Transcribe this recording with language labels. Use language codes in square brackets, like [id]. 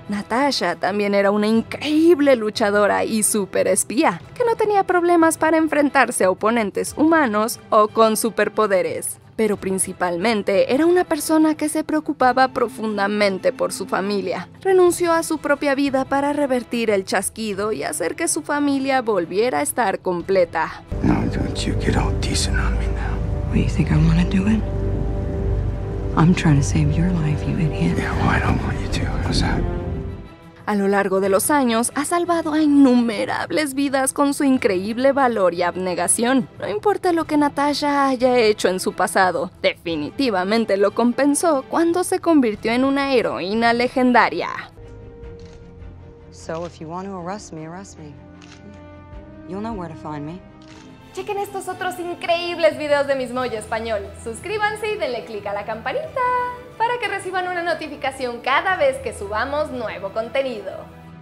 [es] Natasha también era una increíble luchadora y superespía, que no tenía problemas para enfrentarse a oponentes humanos o con superpoderes. Pero principalmente era una persona que se preocupaba profundamente por su familia. Renunció a su propia vida para revertir el chasquido y hacer que su familia volviera a estar completa. [en] No, don't you get all decent on me now. What do you think I want to do it? I'm trying to save your life, you idiot. Yeah, well, I don't want you to. What's that? [es] A lo largo de los años, ha salvado a innumerables vidas con su increíble valor y abnegación. No importa lo que Natasha haya hecho en su pasado, definitivamente lo compensó cuando se convirtió en una heroína legendaria. [en] So if you want to arrest me, you'll know where to find me. [es] Chequen estos otros increíbles videos de Mismoyo Español. Suscríbanse y denle click a la campanita para que reciban una notificación cada vez que subamos nuevo contenido.